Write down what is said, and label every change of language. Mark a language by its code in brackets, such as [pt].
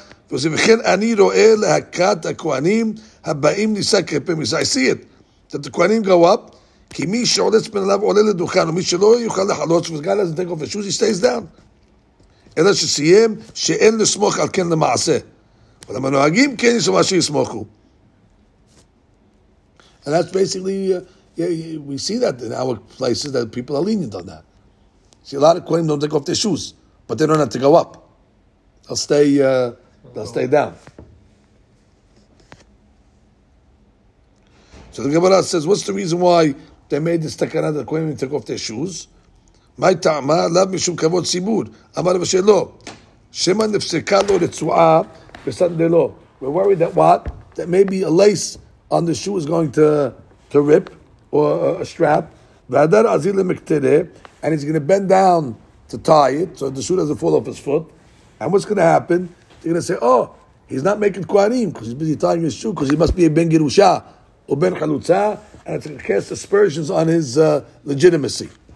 [en] I see it. That the Kohanim go up. The guy doesn't take off his shoes, he stays down. [he] אלא שסיים שאין לסמוך על כן למעשה. אבל המנוהגים כן יש מה שיסמוכו. [en] And that's basically, we see that in our places that people are lenient on that. See, a lot of Kohanim don't take off their shoes, but they don't have to go up. They'll stay down. So the Gemara says, what's the reason why they made this takana that Kohanim took off their shoes? [he] מה טעמה? לאו משום כבוד ציבור. אמר רבי שלא. שמא נפסקה לו רצועה בסנדלו. [en] We're worried that what? That maybe a lace on the shoe is going to rip, or a strap. [he] והדר עזיר למקטרה, [en] and he's going to bend down to tie it, so the shoe doesn't fall off his foot. And what's going to happen? They're going to say, oh, he's not making kohanim, because he's busy tying his shoe, because he must be a ben גירושה, [he] או בן חלוצה, [en] and it's going to cast aspersions on his legitimacy.